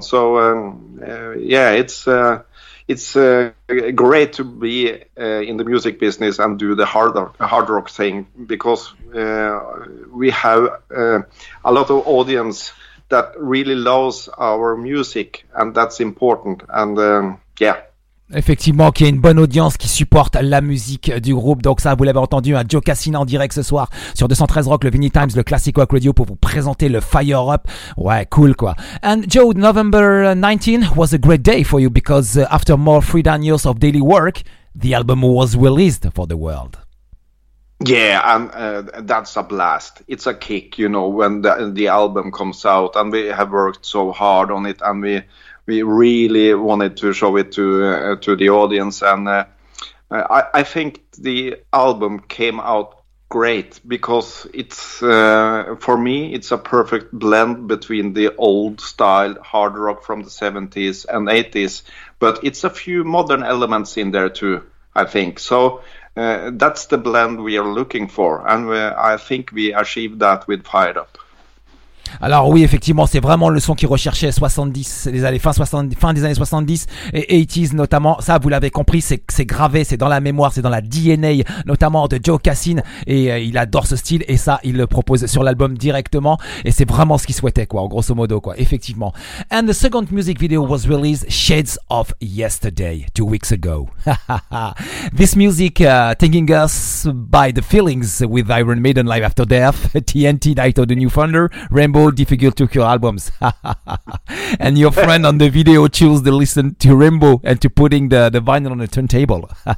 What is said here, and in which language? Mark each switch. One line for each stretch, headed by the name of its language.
English: So it's great to be in the music business and do the hard rock thing, because we have a lot of audience that really loves our music, and that's important. And
French: effectivement qu'il y a une bonne audience qui supporte la musique du groupe, donc ça vous l'avez entendu, un Joe Cassine en direct ce soir sur 213 Rock, le Vinnie Times, le Classic Rock Radio, pour vous présenter le Fire Up. Ouais, cool quoi.
English: And Joe, November 19 was a great day for you because after more free than years of daily work, the album was released for the world. Yeah, and that's a blast. It's a kick, you know, when the album comes out, and we have worked so hard on it, and we really wanted to show it to the audience, and I think the album came out great because it's for me it's a perfect blend between the old style hard rock from the 70s and 80s, but it's a few modern elements in there too, I think. So that's the blend we are looking for, and I think we achieved that with Fired Up.
French: Alors oui, effectivement, c'est vraiment le son qu'ils recherchaient, 70, les années, fin 70, fin des années 70 et 80s notamment. Ça, vous l'avez compris, c'est gravé, c'est dans la mémoire, c'est dans la DNA notamment de Joe Cassin, et il adore ce style, et ça, il le propose sur l'album directement, et c'est vraiment ce qu'il souhaitait, quoi, grosso modo, quoi, effectivement.
English: And the second music video was released Shades of Yesterday, 2 weeks ago. This music taking us by the feelings with Iron Maiden Live After Death, TNT Night of the New Thunder, Rainbow Difficult to Cure albums. And your friend on the video chose to listen to Rainbow and to putting the vinyl on the turntable.